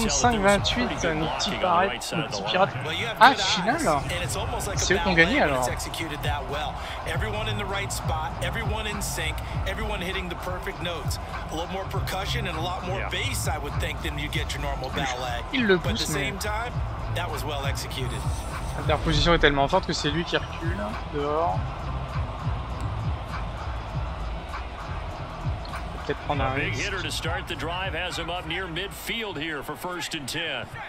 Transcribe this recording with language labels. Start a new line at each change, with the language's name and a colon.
English: there was a pretty good blocking on the right side of the line. And it's almost like a ballet, but it's executed that well. Everyone in the right spot, everyone in sync, everyone hitting the perfect notes. A little more percussion and a lot more bass, I would think, than you get your normal ballet.
French: Il le pousse,
English: but at the same time, that was well executed.
French: La position est tellement forte que c'est lui qui recule dehors. Peut-être prendre un
English: big hitter to start the drive has him up near midfield here for first and 10.